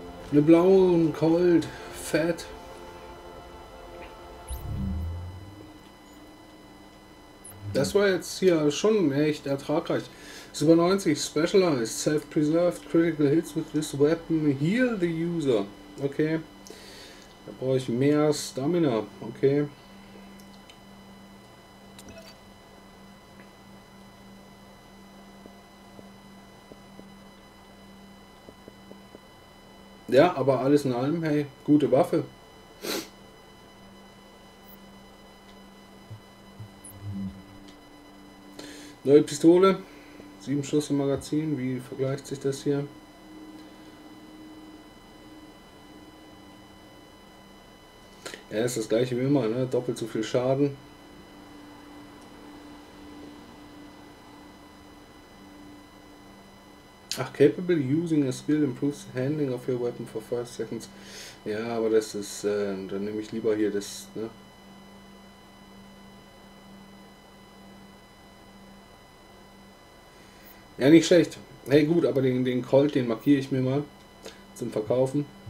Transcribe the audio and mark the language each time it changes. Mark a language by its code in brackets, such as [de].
[de] Eine blaue und Colt, fett. Das war jetzt hier schon echt ertragreich. [en] Super 90, Specialized, Self-Preserved, Critical Hits with this weapon, heal the user. [de] Okay, da brauche ich mehr Stamina, okay. Ja, aber alles in allem, hey, gute Waffe. Neue Pistole, 7 Schuss im Magazin, wie vergleicht sich das hier? Ja, ist das gleiche wie immer, ne? Doppelt so viel Schaden. [en] Ach, capable using a skill improves the handling of your weapon for 5 seconds. [de] Ja, aber das ist, dann nehme ich lieber hier das, ne? Ja, nicht schlecht. Hey, gut, aber den Colt, den markiere ich mir mal zum Verkaufen.